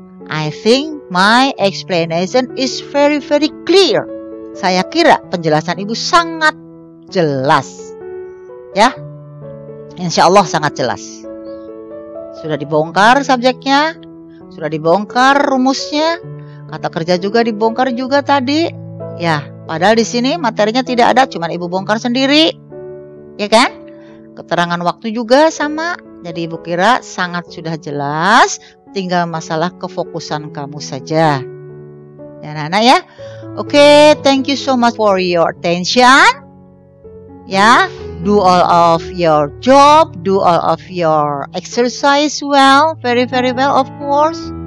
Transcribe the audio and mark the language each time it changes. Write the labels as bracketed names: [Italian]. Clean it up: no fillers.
[English] I think my explanation is very very clear. [Indonesian] Saya kira penjelasan ibu sangat jelas. Ya, insya Allah sangat jelas. Sudah dibongkar subjeknya, sudah dibongkar rumusnya, kata kerja juga dibongkar juga tadi. Ya, padahal di sini materinya tidak ada, cuma ibu bongkar sendiri. Ya kan? Keterangan waktu juga sama. Jadi ibu kira sangat sudah jelas, tinggal masalah kefokusan kamu saja. Ya, anak-anak ya. [English] Oke, thank you so much for your attention. Ya, do all of your job, do all of your exercise well, very very well of course.